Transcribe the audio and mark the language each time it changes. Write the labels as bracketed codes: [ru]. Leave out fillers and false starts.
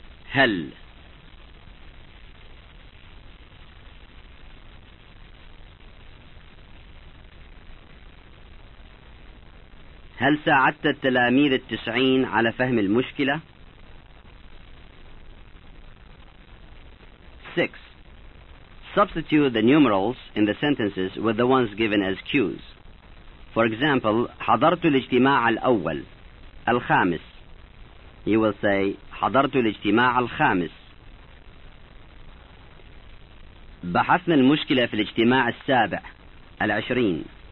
[ar] هل؟ هل ساعدت التلاميذ التسعين على فهم المشكلة؟ 6. [en] Substitute the numerals in the sentences with the ones given as cues. For example, [ar] حضرت الاجتماع الأول. الخامس. [en] You will say, [ar] حضرت الاجتماع الخامس. بحثنا المشكلة في الاجتماع السابع. العشرين.